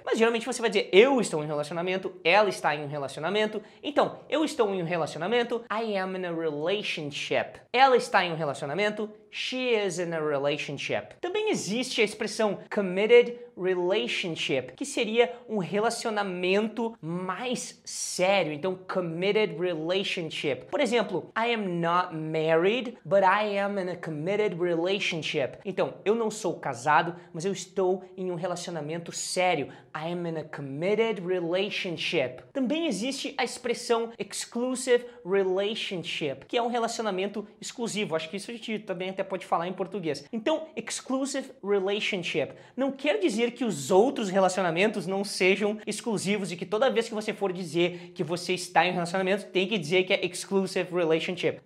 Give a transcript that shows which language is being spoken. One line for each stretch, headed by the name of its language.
Portuguese: Mas geralmente você vai dizer eu estou em um relacionamento, ela está em um relacionamento. Então, eu estou em um relacionamento,
English: I am in a relationship.
Portuguese: Ela está em um relacionamento,
English: she is in a relationship.
Portuguese: Também existe a expressão committed relationship, que seria um relacionamento mais sério.
English: Então, committed relationship.
Portuguese: Por exemplo,
English: I am not married, but I am in a committed relationship.
Portuguese: Então, eu não sou casado, mas eu estou em um relacionamento sério.
English: I am in a committed relationship.
Portuguese: Também existe a expressão exclusive relationship, que é um relacionamento exclusivo. Acho que isso a gente também até pode falar em português. Então, exclusive relationship não quer dizer que os outros relacionamentos não sejam exclusivos e que toda vez que você for dizer que você está em um relacionamento, tem que dizer que é exclusive relationship.